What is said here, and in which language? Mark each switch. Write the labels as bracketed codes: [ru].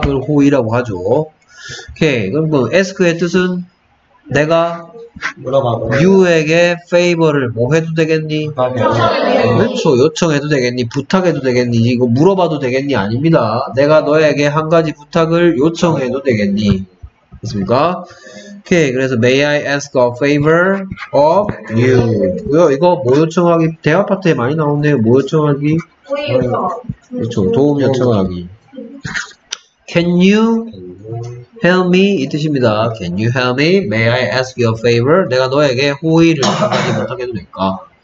[ko] 그걸 호이라고 하죠. 오케이, 그럼 에스크의 뜻은 내가 물어봐봐. 유에게 페이버를 뭐 해도 되겠니? 그렇죠. 요청해도 되겠니? 부탁해도 되겠니? 이거 물어봐도 되겠니? 아닙니다. 내가 너에게 한 가지 부탁을 요청해도 되겠니? 됐습니까? 오케이. 그래서 [en] May I ask a favor of you? [ko] 이거 뭐 요청하기? 대화 파트에 많이 나오네요. 뭐 요청하기? 그렇죠. 도움 요청하기. [en] Can you help me? [ko] 이 뜻입니다. [en] Can you help me? May I ask you a favor? [ko] 내가 너에게 호의를 한 가지 부탁해도 될까?